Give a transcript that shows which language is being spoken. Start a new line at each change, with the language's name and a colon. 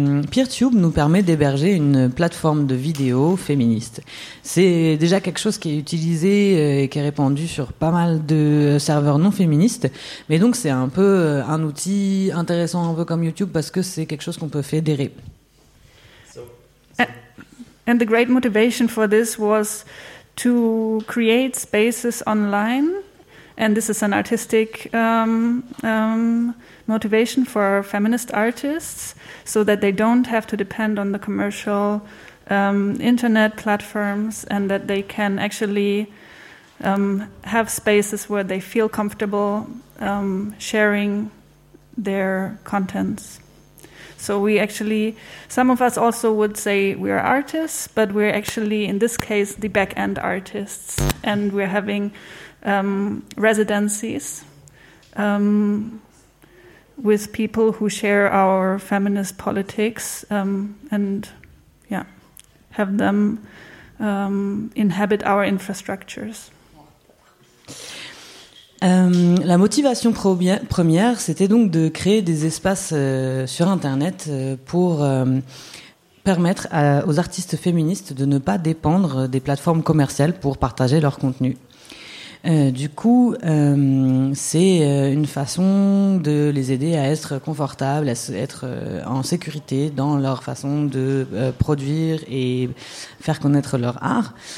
French: PeerTube nous permet d'héberger une plateforme de vidéo féministe. C'est déjà quelque chose qui est utilisé et qui est répandu sur pas mal de serveurs non féministes, mais donc c'est un peu un outil intéressant un peu comme YouTube parce que c'est quelque chose qu'on peut fédérer.
English: And the great motivation for this was to create spaces online, and this is an artistic motivation for feminist artists, so that they don't have to depend on the commercial internet platforms, and that they can actually have spaces where they feel comfortable sharing their contents. So we actually, some of us also would say we are artists, but we're actually, in this case, the back-end artists. And we're having residencies with people who share our feminist politics have them inhabit our infrastructures.
French: La motivation première, c'était donc de créer des espaces sur Internet pour permettre aux artistes féministes de ne pas dépendre des plateformes commerciales pour partager leur contenu. C'est une façon de les aider à être confortables, à être en sécurité dans leur façon de produire et faire connaître leur art.